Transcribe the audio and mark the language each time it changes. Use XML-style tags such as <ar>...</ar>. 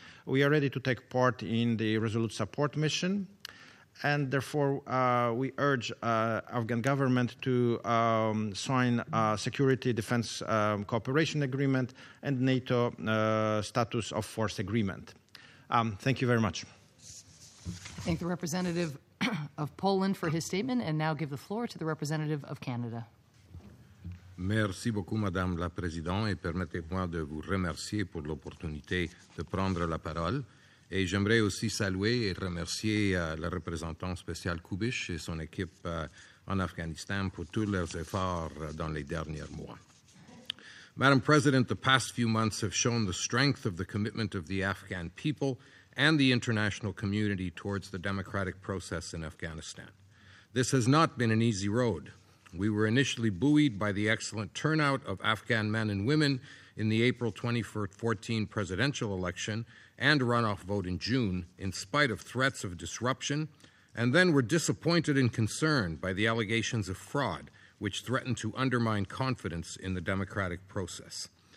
<en>We are ready to take part in the Resolute Support mission, and therefore we urge Afghan government to sign a security defense cooperation agreement and NATO status of force agreement. Thank you very much. Thank the representative of Poland for his statement, and now give the floor to the representative of Canada.</en> <fr>Merci beaucoup, Madame la Présidente, et permettez-moi de vous remercier pour l'opportunité de prendre la parole. Et j'aimerais aussi saluer et remercier le représentant spécial Kubish et son équipe en Afghanistan pour tous leurs efforts dans les derniers mois.</fr> <en>Madam President, the past few months have shown the strength of the commitment of the Afghan people and the international community towards the democratic process in Afghanistan. This has not been an easy road. We were initially buoyed by the excellent turnout of Afghan men and women in the April 2014 presidential election and runoff vote in June, in spite of threats of disruption, and then were disappointed and concerned by the allegations of fraud, which threatened to undermine confidence in the democratic process.</en>